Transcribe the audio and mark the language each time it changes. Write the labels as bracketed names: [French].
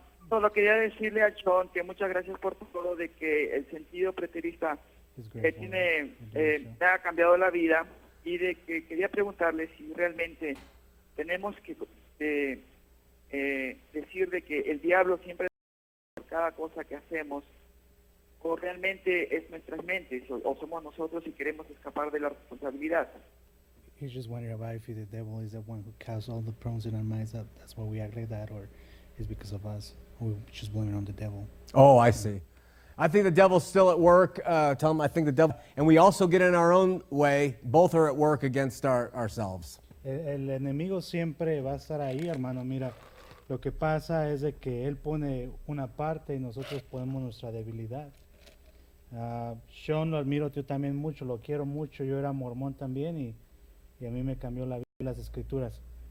[Spanish] Solo quería decirle a John que muchas gracias por todo, de que el sentido preterista tiene, me ha cambiado la vida, y de que quería preguntarle si realmente tenemos que decir de que el diablo siempre por cada cosa que hacemos, o realmente es nuestras mentes, o somos nosotros y queremos escapar de la responsabilidad. [English] He's just wondering about if the devil is the one who casts all the problems in our minds, that's why we act like that, or it's because of us. We're just blaming on the devil. Oh, I see. I think the devil's still at work. Tell him I think the devil, and we also get in our own way. Both are at work against ourselves. [Spanish] El enemigo siempre va a estar ahí, hermano. Mira, lo que pasa es de que él pone una parte y nosotros ponemos nuestra debilidad. Sean, lo admiro yo también mucho, lo quiero mucho. Yo era mormón también y a mí me cambió la vida y las escrituras.